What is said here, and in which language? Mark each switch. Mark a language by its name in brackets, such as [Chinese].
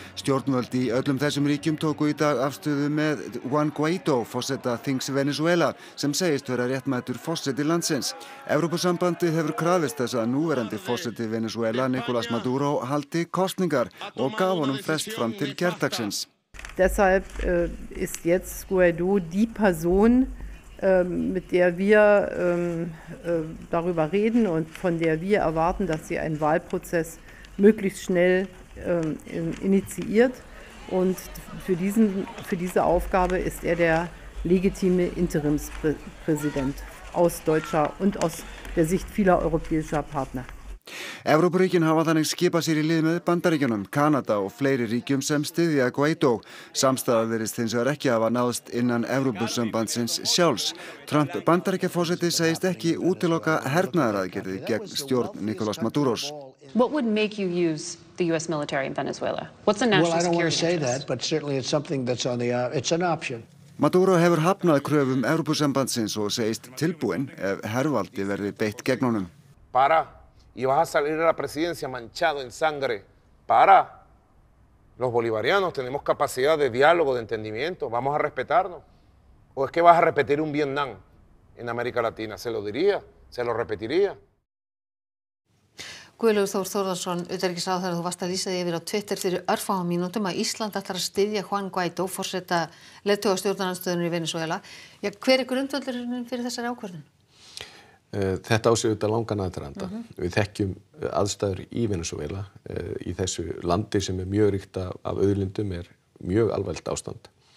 [Icelandic] Stjórnvöld í öllum þessum ríkjum tóku í dag afstöðu með Juan Guaidó, forseta þings Venezuela, sem segist vera réttmætur forseti landsins. Evrópusambandið hefur krafist þess að núverandi forseti Venezuela, Nicolás Maduro, haldi kosningar og gaf honum frest fram til gærdagsins. [German] Deshalb ist jetzt Guaidó die Person, mit der wir darüber reden und von der wir erwarten, dass sie einen Wahlprozess möglichst schnell initiiert. Und für diese Aufgabe ist er der legitime Interimspräsident aus deutscher und aus der Sicht vieler europäischer Partner. [Icelandic] Evrópuríkin hafa þannig skipað sér í lið með Bandaríkjunum, Kanada og fleiri ríkjum sem styðja Guaidó. Samstaða virðist hins vegar ekki hafa náðst innan Evrópusambandsins sjálfs. Trump Bandaríkjaforseti segist ekki útiloka hernaðaraðgerði gegn stjórn Nicolás Maduros. [English] What would make you use the US military in Venezuela? What's the national security? Well, I don't want to say that, but certainly it's something that's on the it's an option. [Icelandic] Maduro hefur hafnað kröfum Evrópusambandsins og segist tilbúinn ef hervaldi verði beitt gegn honum. [Spanish] Para Y vas a salir a la presidencia manchado en sangre. Para. Los bolivarianos tenemos capacidad de diálogo, de entendimiento. Vamos a respetarnos. ¿O es que vas a repetir un Vietnam en América Latina? Se lo diría, se lo repetiría. [Icelandic] Guðlaugur Þór Þórðarson, utanríkisráðherra, þú varst að lýsa því yfir á Twitter fyrir örfáum mínútum að Ísland ætlar að styðja Juan Guaidó, forseta leiðtoga stjórnarandstöðunnar í Venezuela. Ja, hver er grundvöllurinn fyrir þessari ákvörðun? Þetta á sig auðvitað langan aðdraganda. Mm-hmm. Við þekkjum aðstæður í Venezuela í þessu landi sem mjög ríkt af auðlindum mjög alvarlegt ástand.